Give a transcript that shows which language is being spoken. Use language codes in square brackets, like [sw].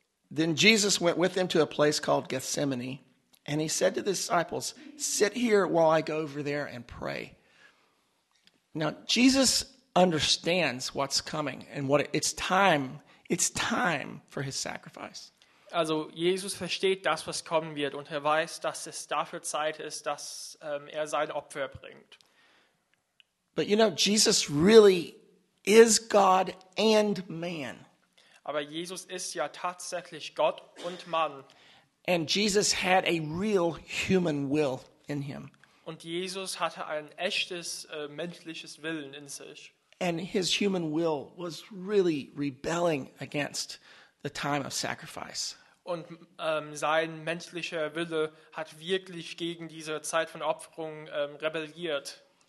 [en] Then Jesus went with them to a place called Gethsemane, and he said to the disciples, "Sit here while I go over there and pray." Now Jesus understands what's coming and what it's time for his sacrifice. [de] Also Jesus versteht das, was kommen wird, und er weiß, dass es dafür Zeit ist, dass er sein Opfer bringt. [en] But you know, Jesus really is God and man. [de] Aber Jesus ist ja tatsächlich Gott und Mann. [en] And Jesus had a real human will in him. [de] Und Jesus hatte ein echtes menschliches Willen in sich. [en] And his human will was really rebelling against the time of sacrifice. [de] Und sein menschlicher Wille hat wirklich gegen diese Zeit von Opferung rebelliert.